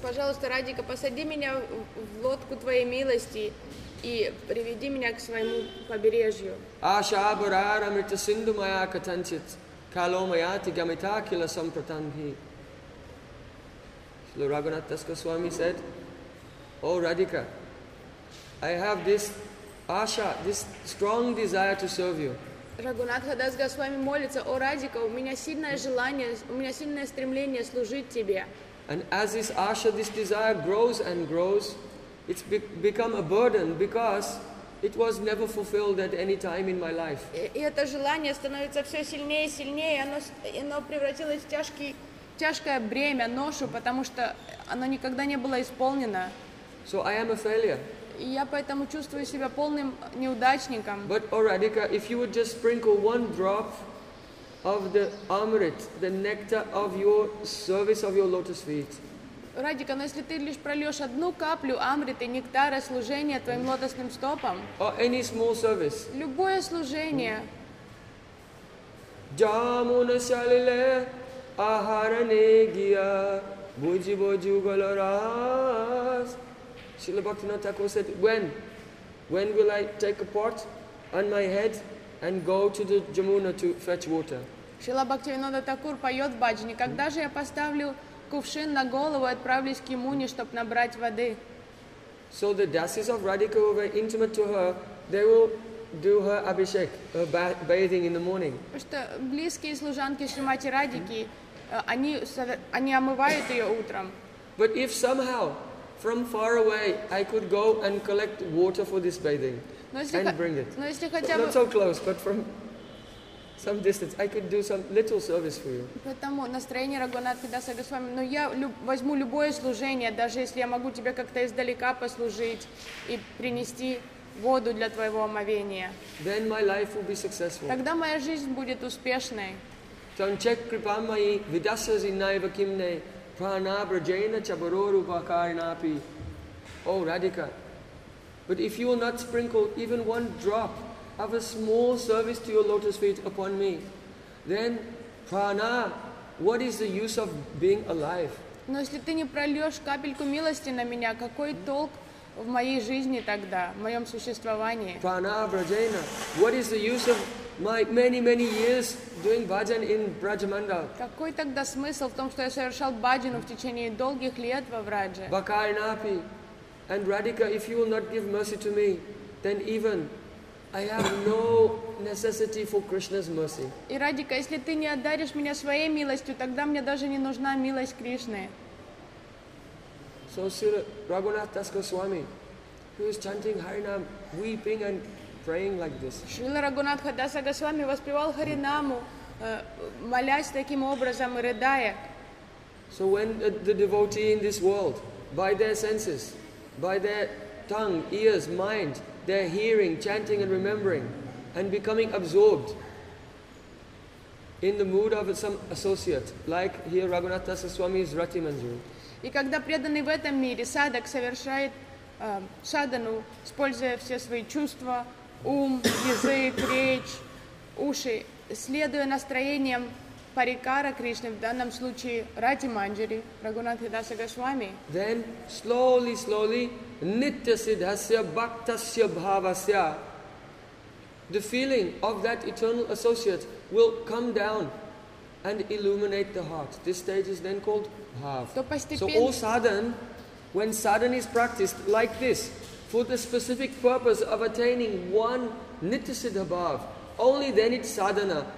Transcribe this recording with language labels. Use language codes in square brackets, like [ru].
[ru] Пожалуйста, Радика, посади меня в лодку твоей милости и приведи меня к своему побережью. [sa] Ашабарара мритасинду мая катанчит каломаяти гамита кила сампратанги. [en] Шрила Рагунатха Дас Госвами said, O Radhika, I have this asha, this strong desire to serve you. [ru] Рагунатха Дас Госвами молится, о Радика, у меня сильное желание, у меня сильное стремление служить тебе. [en] And as this asha, this desire grows and grows, it's become a burden because it was never fulfilled at any time in my life. [ru] И это желание становится все сильнее и сильнее, оно превратилось в тяжкое бремя, ношу, потому что оно никогда не было исполнено. [en] So I am a failure. [ru] И я поэтому чувствую себя полным неудачником. [en] But, O Radhika, if you would just sprinkle one drop of the amrit, the nectar of your service of your lotus feet. [ru] Радика, но если ты лишь прольешь одну каплю амриты, нектара служения твоим лотосным стопам. [en] Or any small service. [ru] Любое служение. [bn] Джамуна салиле ахаране гия буджи буджи уголарас. [en] Srila Bhaktivinoda Thakur said, when will I take a pot on my head and go to the Jamuna to fetch water? [ru] Srila Bhaktivinoda Thakur поет в баджане, когда же я поставлю кувшин на голову и отправлюсь к Ямуне, чтобы набрать воды? [en] So the dasis of Radhika were very intimate to her, they will do her abhishek, her bathing in the morning. [ru] Что близкие служанки Шримати Радики, они омывают ее утром. [en] But if somehow from far away, I could go and collect water for this bathing. [ru] Но если хотя бы... [en] Not so close, but from some distance. I could do some little service for you. [ru] Поэтому настроение Рагунат Кидаса Госвами. Но я возьму любое служение, даже если я могу тебе как-то издалека послужить и принести воду для твоего омовения. [en] Then my life will be successful. [ru] Тогда моя жизнь будет успешной. [sa] Танчек крипамай видасази наивакимне пранабраджейна чабарору вакаринапи. [ru] О, Радика. [en] But if you will not sprinkle even one drop of a small service to your lotus feet upon me, then prana, what is the use of being alive? [ru] Но если ты не прольешь капельку милости на меня, какой толк в моей жизни тогда, в моем существовании? [sa] Prana, brajena, [en] what is the use of my many, many years doing bhajan in Brajamandal? [ru] Какой тогда смысл в том, что я совершал бхаджану в течение долгих лет во Врадже? [sa] Vakarinapi. [en] And Radhika, if you will not give mercy to me, then even I have no necessity for Krishna's mercy. [ru] И Радика, если ты не одаришь меня своей милостью, тогда мне даже не нужна милость Кришны. [en] So Sir Raghunath Das Goswami, who is chanting Harinam, weeping and praying like this. [ru] Шрила Рагунатха Даса Госвами воспевал Харинаму, молясь таким образом и рыдая. [en] So when the devotee in this world, by their senses, by their tongue, ears, mind, their hearing, chanting and remembering, and becoming absorbed in the mood of some associate, like here Raghunath Das Goswami's Rati Manjari. [ru] И когда преданный в этом мире садак совершает садхану, используя все свои чувства, ум, язык, речь, уши, следуя настроениям парикара Кришны, в данном случае Рати Манджари, Рагунатхи Даса Госвами, [en] then slowly, slowly, [sa] nitya siddhasya bhaktasya bhavasya, [en] the feeling of that eternal associate will come down and illuminate the heart. This stage is then called So all sadhan, when sadhan is practiced like this, for the specific purpose of attaining one nityasiddha bhav, only then it's sadhana.